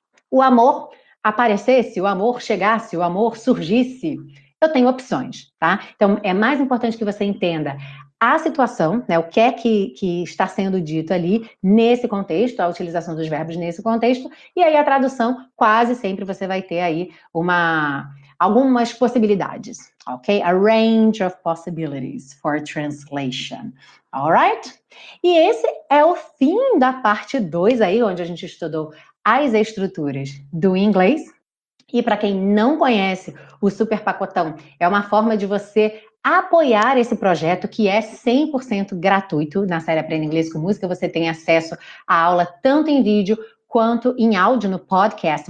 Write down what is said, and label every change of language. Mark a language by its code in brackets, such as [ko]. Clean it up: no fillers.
[pt] O amor aparecesse, o amor chegasse, o amor surgisse, eu tenho opções, tá? Então, é mais importante que você entenda a situação, né, o que é que está sendo dito ali nesse contexto, a utilização dos verbos nesse contexto, e aí a tradução, quase sempre você vai ter aí algumas possibilidades, ok? [en] A range of possibilities for translation, alright? [pt] E esse é o fim da parte 2 aí, onde a gente estudou as estruturas do inglês, e para quem não conhece o Super Pacotão, é uma forma de você apoiar esse projeto que é 100% gratuito. Na série Aprenda Inglês com Música, você tem acesso à aula tanto em vídeo quanto em áudio no podcast.